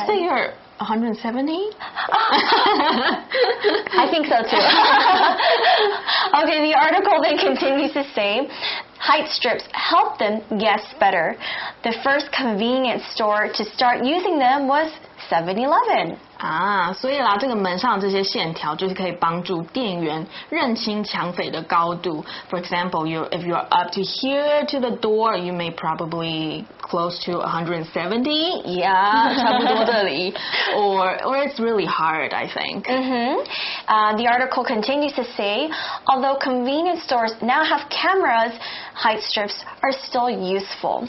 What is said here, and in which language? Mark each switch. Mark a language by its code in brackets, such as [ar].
[en] I'll say you're 170? I think so too. Okay, the article then continues to say, height strips help them guess better. The first convenience store to start using them was 7-Eleven. [zh] 所以啦，这个门上这些线条就是可以帮助店员认清抢匪的高度。 [en] For example, if you're up to here to the door, you may probably close to 170. Yeah, [zh] 差不多这里。 [en] Or it's really hard, I think. The article continues to say, although convenience stores now have cameras, height strips are still useful.